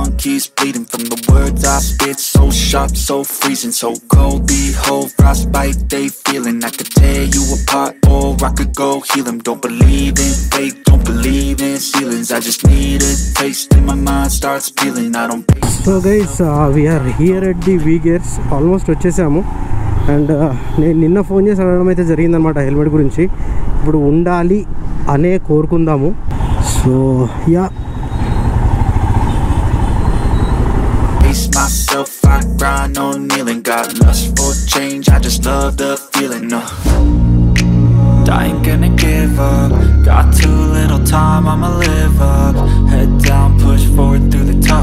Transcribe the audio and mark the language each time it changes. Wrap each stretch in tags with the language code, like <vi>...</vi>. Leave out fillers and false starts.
<en>He's bleeding from the words I spit, so sharp, so freezing, so cold, behold, frostbite, they feeling, I could tear you apart, or I could go heal him, don't believe in faith, don't believe in ceilings, I just need a taste, and my mind starts peeling, I don't pay. So guys, we are here at the V-Gears, almost</en> <te>వచ్చేసాము. And నేను నిన్న phone చేసి అడగడం అయితే జరిగిందనమాట helmet గురించి, ఇప్పుడు ఉండాలి అనే కోరుకుందాము.</te> <en>so yeah myself I grind no kneeling got lust for change I just love the feeling no I ain't gonna give up got too little time I'ma live up head down push forward through the</en>